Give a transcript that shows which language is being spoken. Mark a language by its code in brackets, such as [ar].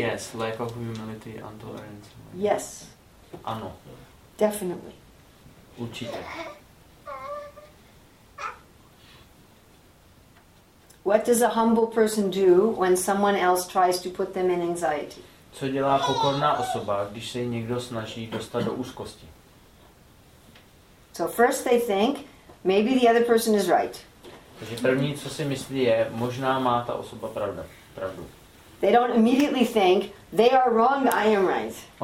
[en] Yes, lack of humility and tolerance. Yes. [cs] Ano. [en] Definitely. [cs] Určitě. [en] What does a humble person do when someone else tries to put them in anxiety? [cs] Co dělá pokorná osoba, když se někdo snaží dostat do úzkosti? [en] So first they think, maybe the other person is right. [cs] Takže první, co si myslí, je, možná má ta osoba pravdu. [en] They don't immediately think they are wrong, I am right.